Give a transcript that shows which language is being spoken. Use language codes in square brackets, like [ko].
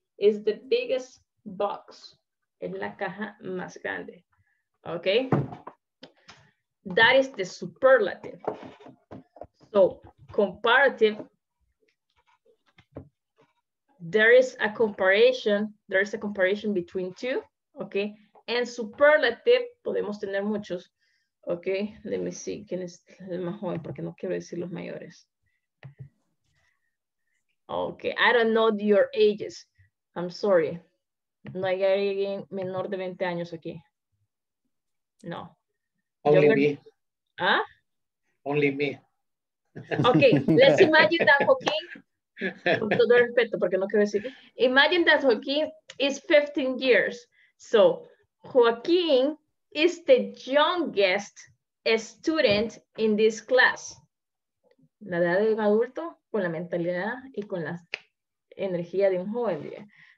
[es] Is the biggest box, en la caja más grande, okay? [en] That is the superlative. So comparative, there is a comparison between two, okay? [es] And superlative, podemos tener muchos, okay? Let me see, ¿quién es el más joven? Porque no quiero decir los mayores. [en] Okay, I don't know your ages. I'm sorry. [es] No hay alguien menor de 20 años aquí. No. [en] Only me. ¿Ah? Only me. [es] Okay, let's imagine that Joaquín, con todo respeto, porque no quiero decir. [en] Imagine that Joaquín is 15 years. So, Joaquín is the youngest student in this class. [es] La edad de un adulto con la mentalidad y con la energía de un joven.